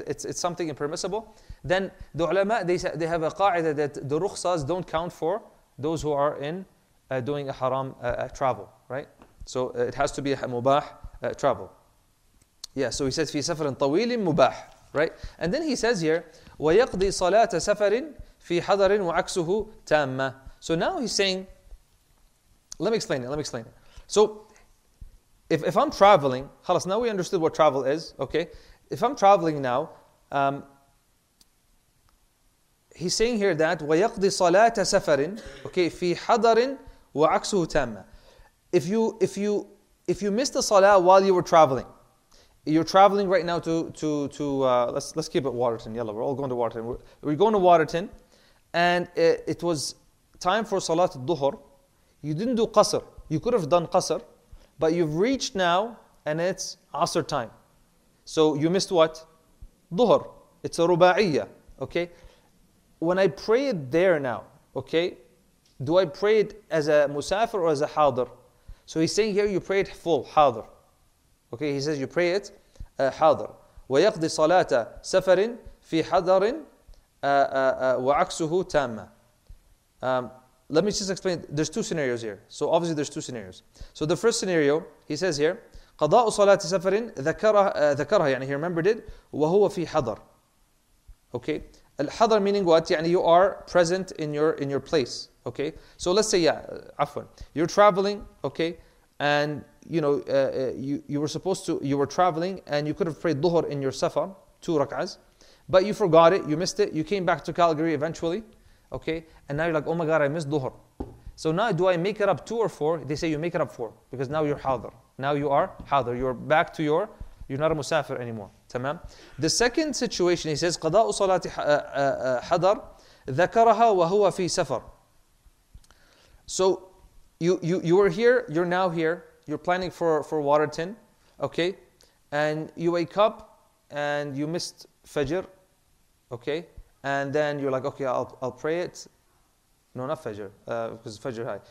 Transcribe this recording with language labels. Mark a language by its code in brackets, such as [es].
[en] It's something impermissible. Then the ulama, they have a qa'idah that the rukhsas don't count for those who are in doing a haram travel, right? So it has to be a mubah travel. Yeah, so he says fi safarin tawilin mubah. Right, and then he says here, [ar] وَيَقْضِي صَلَاةَ سَفَرٍ فِي حَضَرٍ وَعَكْسُهُ تَامَّ. [en] So now he's saying, let me explain it. So if I'm traveling, خلاص, now we understood what travel is, okay? If I'm traveling now, he's saying here that, [ar] وَيَقْضِي صَلَاةَ سَفَرٍ, [en] okay, [ar] فِي حَضَرٍ وَعَكْسُهُ تَامَّ. [en] If you missed the salah while you were traveling, you're traveling right now to let's keep it Waterton. Yalla, we're all going to Waterton. We're going to Waterton, and it was time for Salat al-Duhur. You didn't do Qasr. You could have done Qasr, but you've reached now, and it's Asr time. So you missed what? Duhur. It's a Ruba'iyya, okay? When I pray it there now, okay, do I pray it as a Musafir or as a Hadr? So he's saying here, you pray it full, Hadr. Okay, he says you pray it, حاضر. [ar] ويقضي صلاة سفر في حضر وعكسه تامة. [en] Let me just explain. There's two scenarios here. So obviously there's two scenarios. So the first scenario, he says here, [ar] قضاء صلاة سفر ذكرها, [en] يعني he remembered it, [ar] وهو في حضر. [en] Okay, الحضر meaning what? يعني you are present in your place. Okay, so let's say, you're traveling, okay, and you were traveling and you could have prayed Dhuhr in your Safar, two rak'ahs, but you forgot it, you missed it, you came back to Calgary eventually, okay, and now you're like, oh my God, I missed Dhuhr. So now do I make it up two or four? They say you make it up four, because now you're Hadr. Now you are Hadr. You're back to your, you're not a Musafir anymore. Tamam? The second situation, he says, [ar] قَضَاءُ صَلَاتِ حَضَرْ ذَكَرَهَا وَهُوَ فِي سَفَرْ. [en] So you were here, you're now here, you're planning for Waterton, okay? And you wake up and you missed Fajr, okay? And then you're like, okay, I'll pray it. No, not Fajr, because Fajr high.